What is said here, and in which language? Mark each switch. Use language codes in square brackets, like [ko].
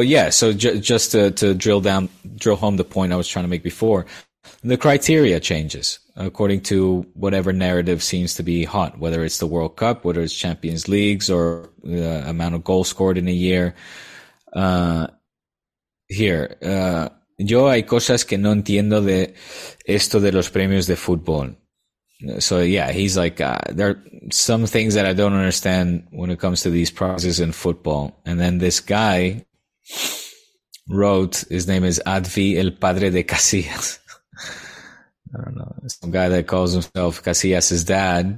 [en] So just to drill home the point I was trying to make before, the criteria changes according to whatever narrative seems to be hot, whether it's the World Cup, whether it's Champions Leagues, or the amount of goals scored in a year. [es] Here, yo hay cosas que no entiendo de esto de los premios de fútbol. [en] So yeah, he's like, there are some things that I don't understand when it comes to these prizes in football. And then this guy wrote, his name is Advi El Padre de Casillas. I don't know. Some guy that calls himself Casillas' dad.